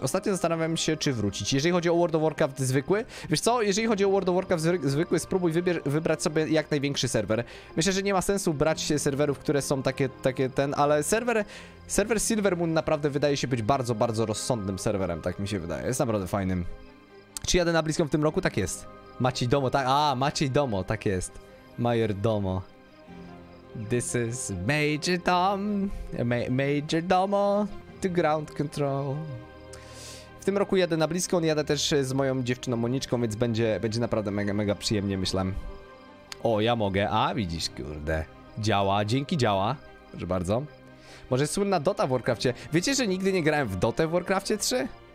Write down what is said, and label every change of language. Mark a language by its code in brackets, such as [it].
[pl] Ostatnio zastanawiałem się, czy wrócić. Jeżeli chodzi o World of Warcraft zwykły, wiesz co, jeżeli chodzi o World of Warcraft zwykły, spróbuj wybrać sobie jak największy serwer. Myślę, że nie ma sensu brać się serwerów, które są takie ten, ale serwer Silvermoon naprawdę wydaje się być bardzo, bardzo rozsądnym serwerem, tak mi się wydaje. Jest naprawdę fajnym. Czy jadę na BlizzCon w tym roku? Tak jest. Maciej Domo, tak, Maciej Domo, tak jest. Major Domo. [en] This is Major Dom, Major Domo to Ground Control. [pl] W tym roku jadę na BlizzCon, jadę też z moją dziewczyną Moniczką, więc będzie naprawdę mega, mega przyjemnie, myślę. O, ja mogę, widzisz, kurde. Działa, dzięki, działa. Proszę bardzo. Może słynna Dota w Warcraftcie. Wiecie, że nigdy nie grałem w Dotę w Warcraftcie 3?